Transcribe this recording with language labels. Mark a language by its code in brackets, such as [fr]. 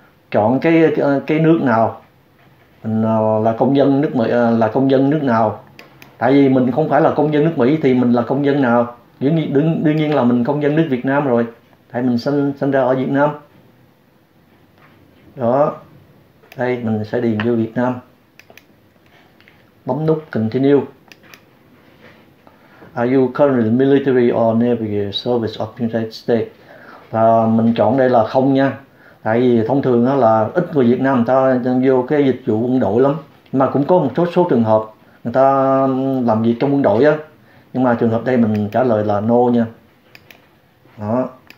[vi] Chọn cái nước nào? Mình là công dân nước Mỹ, là công dân nước nào? Tại vì mình không phải là công dân nước Mỹ thì mình là công dân nào? Đương nhiên là mình công dân nước Việt Nam rồi. Tại mình sinh sinh ra ở Việt Nam. Đó. Đây mình sẽ điền vô Việt Nam. Bấm nút continue. [en] Are you currently military or naval service of United States? [vi] Mình chọn đây là không nha. Tại vì thông thường đó là ít người Việt Nam người ta vô cái dịch vụ quân đội lắm. Mà cũng có một số số trường hợp người ta làm việc trong quân đội á. Nhưng mà trường hợp đây mình trả lời là no nha. Đó.